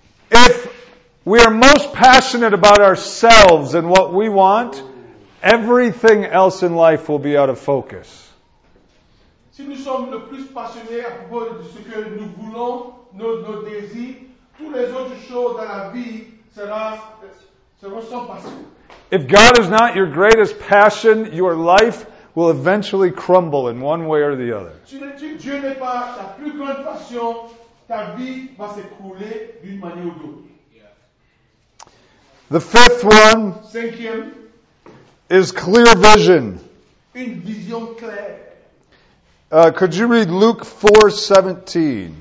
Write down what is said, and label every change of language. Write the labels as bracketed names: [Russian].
[English] If we are most passionate about ourselves and what we want, everything else in life will be out of focus. [French] Si nous sommes le plus passionnés à propos de ce que nous voulons, nos désirs, toutes les autres choses dans la vie seront sans passion. [English] If God is not your greatest passion, your life will eventually crumble in one way or the other. [French] Si Dieu n'est pas ta plus grande passion, ta vie va s'écrouler d'une manière ou d'autre. [English] The fifth one [French] cinquième, [English] is clear vision. [French] Une vision claire. [English] Could you read Luke 4:17?